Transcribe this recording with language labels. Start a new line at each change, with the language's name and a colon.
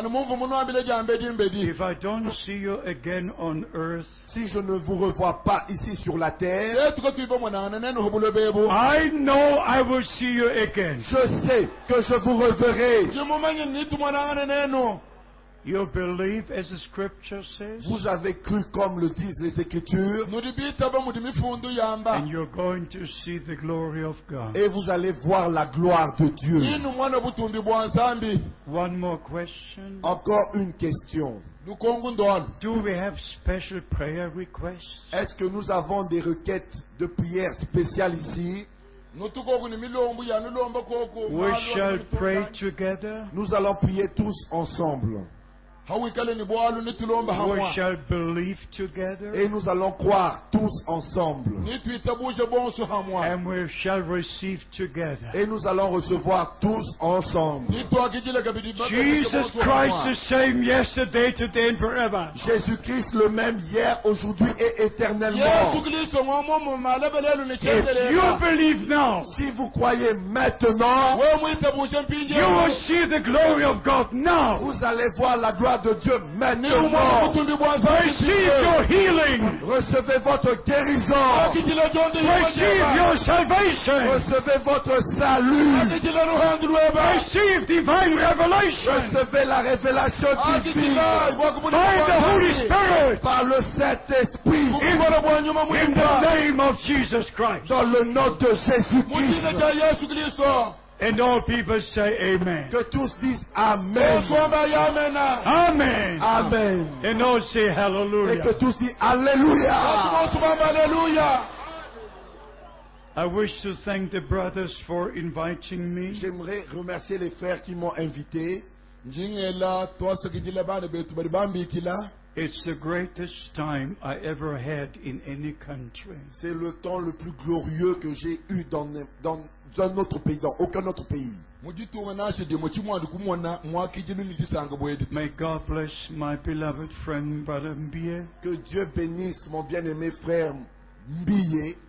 English: If I don't see you again on earth.
French: Si je ne vous revois pas ici sur la terre.
English: I know I will see you again.
French: Je sais que je vous reverrai.
English: You believe as the scripture says.
French: Vous avez cru comme le disent les écritures.
English: And you're going to see the glory of God.
French: Et vous allez voir la gloire de Dieu.
English: One more question.
French: Encore une question.
English: Do we have special prayer requests?
French: Est-ce que nous avons des requêtes de prière spéciales ici?
English: We shall pray together.
French: Nous allons prier tous ensemble.
English: We shall believe together.
French: Et nous allons croire tous ensemble.
English: And we shall receive together.
French: Et nous allons recevoir tous ensemble.
English: Jesus Christ the same yesterday, today and forever.
French: Jésus-Christ le même hier, aujourd'hui et éternellement.
English: If you believe now,
French: si vous croyez maintenant,
English: you will see the glory of God now.
French: Vous allez voir la gloire de Dieu maintenant.
English: Receive your healing.
French: Recevez votre guérison.
English: Receive your salvation.
French: Recevez votre salut.
English: Receive divine revelation.
French: Recevez la révélation divine.
English: By the Holy Spirit.
French: Par le Saint-Esprit.
English: In the name of Jesus Christ.
French: Dans le nom de Jésus-Christ.
English: And all people say amen.
French: Que tous disent amen.
English: Amen.
French: Amen.
English: And all say hallelujah.
French: Et que tous disent alléluia.
English: I wish to thank the brothers for inviting me.
French: J'aimerais remercier les frères qui m'ont invité.
English: It's the greatest time I ever had in any country.
French: C'est le temps le plus glorieux que j'ai eu dans notre pays, dans aucun autre pays.
English: May God bless my beloved friend Brother Mbie.
French: Que Dieu bénisse mon bien-aimé frère Mbie.